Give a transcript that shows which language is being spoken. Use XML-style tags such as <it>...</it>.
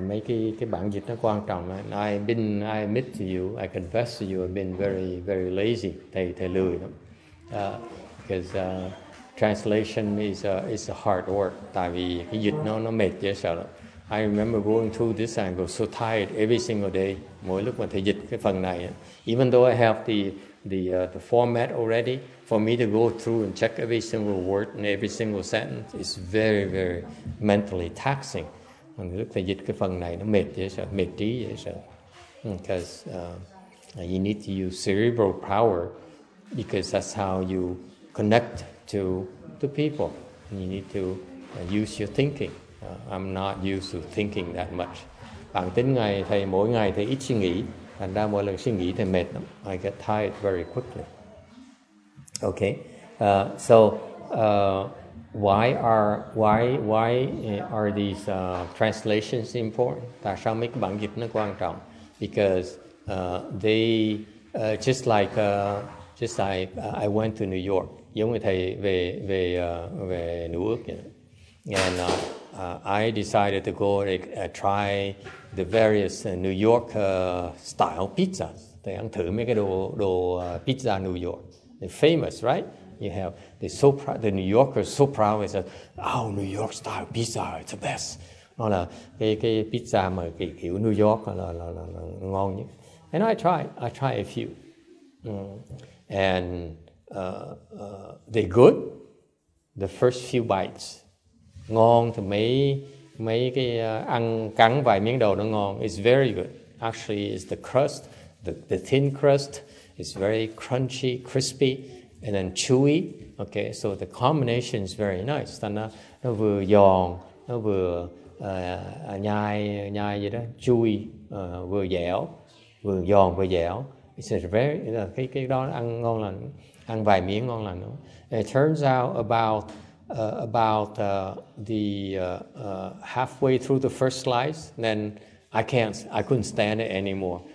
<vi>Mấy cái bản dịch nó quan trọng.</vi> <en>I admit to you, I confess to you, I've been very very lazy,</en> <vi>thầy lười lắm.</vi> <en>Because translation is a hard work.</en> <vi>Tại vì cái dịch nó mệt dễ sợ lắm.</vi> <en>I remember going through this and go so tired every single day.</en> <vi>Mỗi lúc mà thầy dịch cái phần này,</vi> <en>even though I have the format already, for me to go through and check every single word and every single sentence is very very mentally taxing.</en> <vi>Mỗi lúc thầy dịch cái phần này nó mệt dễ sợ, mệt trí dễ sợ.</vi> <en>Because you need to use cerebral power. Because that's how you connect to the people. You need to use your thinking. I'm not used to thinking that much.</en> <vi>Bản tính ngày thầy mỗi ngày thầy ít suy nghĩ, thành ra mỗi lần suy nghĩ thì mệt lắm.</vi> <en>I get tired very quickly. Okay. So why are these translations important?</en> <vi>Tại sao mấy cái bản dịch nó quan trọng?</vi> <en>Because I went to New York.</en> <vi>Giống như thầy về New York, you know.</vi> <en>And I decided to go try the various New York style pizzas.</en> <vi>Thầy ăn thử mấy cái đồ pizza New York.</vi> <en>They're famous, right? You have the New Yorkers so proud. They said, "Oh, New York style pizza, it's the best."</en> <vi>Nó là cái pizza mà kiểu New York là ngon nhất.</vi> <en>And I tried a few. They're good, the first few bites.</en> <vi>Ngon thì mấy cái ăn cắn vài miếng đầu nó ngon.</vi> <en>It's very good. Actually, it's the crust, the thin crust. It's very crunchy, crispy, and then chewy. Okay, so the combination is very nice.</en> <vi>Thành ra nó vừa giòn, nó vừa nhai gì đó, chewy, vừa giòn vừa dẻo.</vi> <en>It's a very, you know,</en> <vi>cái đó ăn ngon lành, ăn vài miếng ngon lành.</vi> <en>It turns out about the halfway through the first slice, then I couldn't stand it anymore.</en>